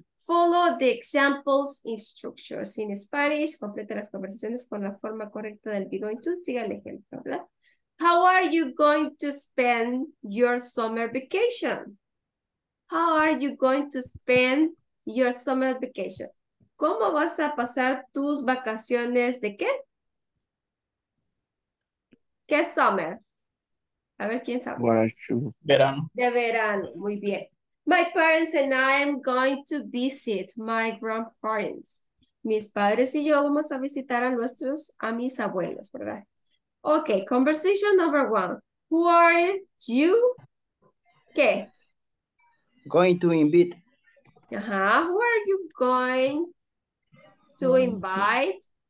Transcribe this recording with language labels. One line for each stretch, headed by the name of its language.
English: Follow the examples, instructions in Spanish,
Spanish: complete las conversaciones con la forma correcta del
English: be going to,
Spanish: siga el ejemplo, ¿verdad?
English: How are you going to spend your summer vacation? How are you going to spend your summer vacation?
Spanish: ¿Cómo vas a pasar tus vacaciones de qué? ¿Qué es summer? A ver, ¿quién sabe? Verano. De verano, muy bien.
English: My parents and I am going to visit my grandparents.
Spanish: Mis padres y yo vamos a visitar a mis abuelos, ¿verdad?
English: Okay, conversation number one. Who are you? ¿Qué? Going to invite. Ajá, who are you going to invite?